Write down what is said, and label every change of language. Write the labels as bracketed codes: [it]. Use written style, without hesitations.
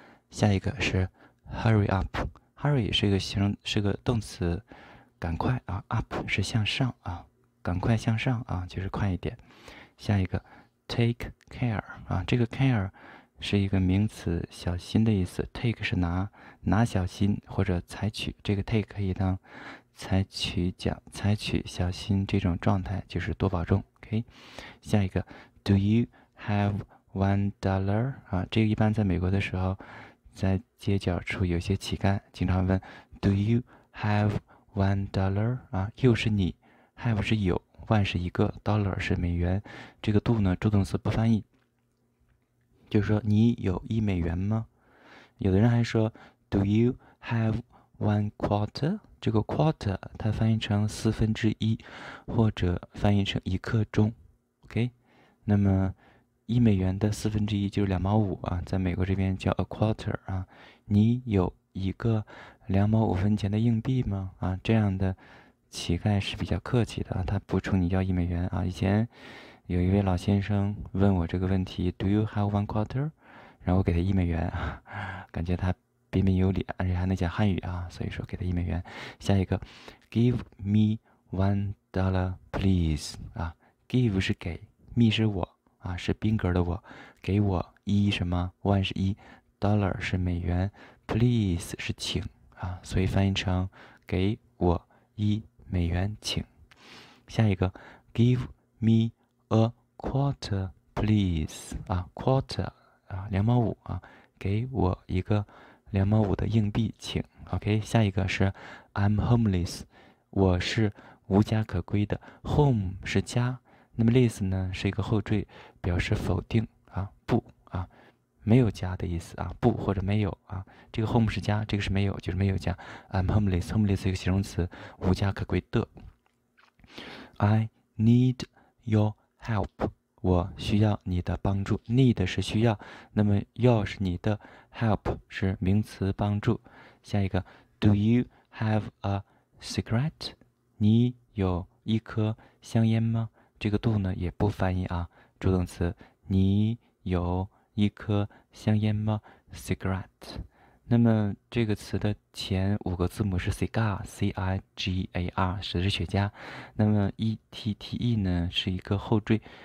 [zh] 下一个是 hurry up，hurry 是一个形容，是个动词，赶快啊，up 是向上啊，赶快向上啊，就是快一点。下一个 take care 啊，这个 care 是一个名词，小心的意思，take 是拿小心或者采取，这个 take 可以当采取讲采取小心这种状态，就是多保重。 [en] OK， [zh] 下一个， [en] Do you have $1？ [zh] 啊，这个一般在美国的时候，在街角处有些乞丐经常问， [en] Do you have $1？ [zh] 啊，you 是你，have 是有，one 是一个，dollar 是美元，这个 do 呢，助动词不翻译，就是说你有一美元吗？有的人还说， [en] Do you have one quarter？ [zh] 这个 quarter 它翻译成四分之一，或者翻译成一刻钟，OK？那么一美元的四分之一就是2毛5啊，在美国这边叫 a quarter 啊。你有一个2毛5分钱的硬币吗？啊，这样的乞丐是比较客气的啊，他不冲你要一美元啊。以前有一位老先生问我这个问题， [en] Do you have one quarter？ [zh] 然后我给他一美元啊，感觉他。彬彬有礼，而且还能讲汉语啊，所以说给他一美元。下一个， [en] Give me $1, please [zh] 啊，Give 是给，me 是我啊，是宾格的我，给我一什么，one 是一，dollar 是美元，please 是请啊，所以翻译成给我一美元请。下一个， [en] Give me a quarter, please [zh] 啊，quarter 啊，2毛5啊，给我一个。 2毛5的硬币，请。 OK，下一个是 [en] I'm homeless， [zh] 我是无家可归的。 Home 是家，那么 less 呢是一个后缀，表示否定啊，不啊，没有家的意思啊，不或者没有啊。这个 home 是家，这个是没有，就是没有家。 [en] I'm homeless， [zh] homeless 是一个形容词，无家可归的。 [en] I need your help， [zh] 我需要你的帮助。 Need 是需要，那么 your 是你的。 Help 是名词帮助，下一个， [en] Do you have a cigarette？ [zh] 你有一颗香烟吗？这个 do 呢也不翻译啊，助动词，你有一颗香烟吗？Cigarette。那么这个词的前五个字母是 cigar，cigar 是指雪茄，那么 ette 呢是一个后缀。